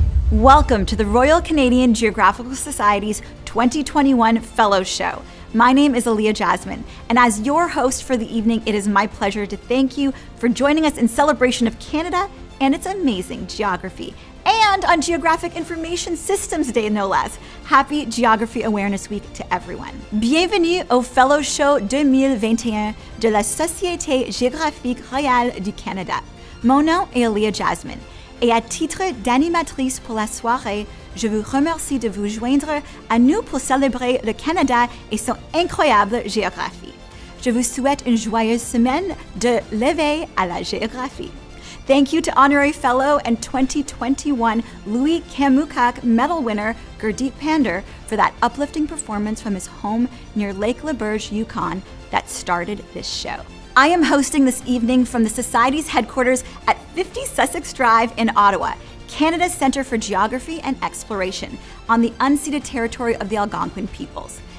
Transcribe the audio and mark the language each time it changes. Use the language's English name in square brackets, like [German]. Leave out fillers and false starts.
[English] Welcome to the Royal Canadian Geographical Society's 2021 Fellows Show. My name is Aliya Jasmine, and as your host for the evening, it is my pleasure to thank you for joining us in celebration of Canada and its amazing geography, and on Geographic Information Systems Day, no less. Happy Geography Awareness Week to everyone. [French] Bienvenue au Fellows Show 2021 de la Société Géographique Royale du Canada. Mon nom est Aliya Jasmine. Et à titre d'animatrice pour la soirée, je vous remercie de vous joindre à nous pour célébrer le Canada et son incroyable géographie. Je vous souhaite une joyeuse semaine de l'éveil à la géographie. [English] Thank you to Honorary Fellow and 2021 Louis Kamukak Medal winner Gurdeep Pandher for that uplifting performance from his home near Lake Leberge, Yukon, that started this show. I am hosting this evening from the Society's headquarters at 50 Sussex Drive in Ottawa, Canada's Centre for Geography and Exploration, on the unceded territory of the Algonquin peoples.